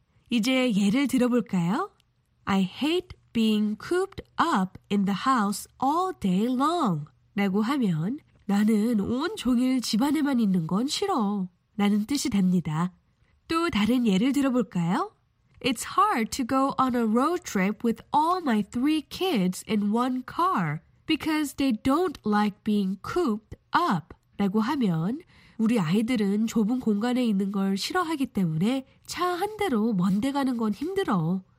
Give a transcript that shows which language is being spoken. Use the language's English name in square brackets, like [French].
[Korean] 이제 예를 들어볼까요? [English] I hate being cooped up in the house all day long. [Korean] 라고 하면 나는 온종일 집안에만 있는 건 싫어 라는 뜻이 됩니다. 또 다른 예를 들어볼까요? [English] It's hard to go on a road trip with all my three kids in one car because they don't like being cooped up. [Korean] 라고 하면 우리 아이들은 좁은 공간에 있는 걸 싫어하기 때문에 차 한 대로 먼 데 가는 건 힘들어.